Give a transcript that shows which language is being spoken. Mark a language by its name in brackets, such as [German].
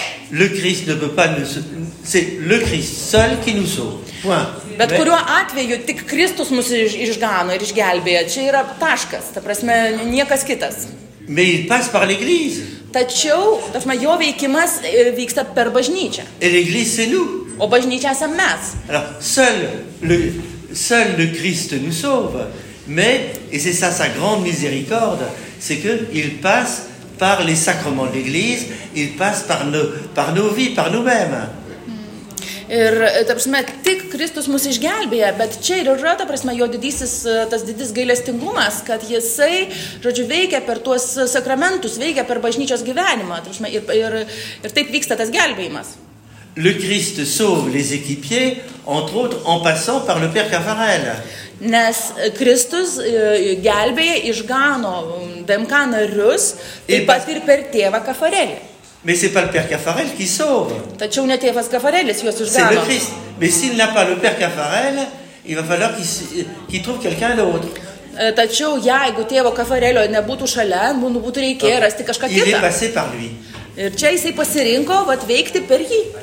[French] Le Christ ne peut pas nous... C'est le Christ seul qui nous sauve. Point. [Lithuanian] Bet kuriuo atveju tik Kristus mus išgano ir išgelbėja. Čia yra taškas. Ta prasme, niekas kitas. [French] Mais il passe par l'Église. [Lithuanian] Tačiau, ta prasme, jo veikimas vyksta per bažnyčią. [French] Et l'Église, c'est nous. [Lithuanian] O bažnyčia esam mes. [French] Alors, seul le Christ nous sauve. Mais, et c'est ça sa grande miséricorde, c'est qu'il passe par les sacrements de l'Église, il passe par nos vies, par nous-mêmes. [Lithuanian] Ir, ta prasme, tik Kristus mus išgelbėja, bet čia ir yra, ta prasme, jo didysis, tas didis gailestingumas, kad jisai, žodžiu, veikia per tuos sakramentus, veikia per bažnyčios gyvenimą, ta prasme, ir taip vyksta tas gelbėjimas. [French] Le Christ sauve les équipiers, entre autres, en passant par le Père Caffarel. [Lithuanian] Nes Kristus gelbėja, išgano DMK narius, taip pat ir per tėvą Caffarelį. [French] Mais c'est pas le Père Caffarel qui sauve. [Lithuanian] Tačiau ne tėvas Caffarelis juos išgano. [French] C'est le Christ. Mais s'il n'a pas le Père Caffarel, il va falloir qu'il trouve quelqu'un d'autre. [Lithuanian] Tačiau jeigu tėvo Caffarelio nebūtų šalia, būtų reikėjo rasti kažką kitą. [French] Il est passé par lui. [Lithuanian] Ir čia jisai pasirinko vat, veikti per jį.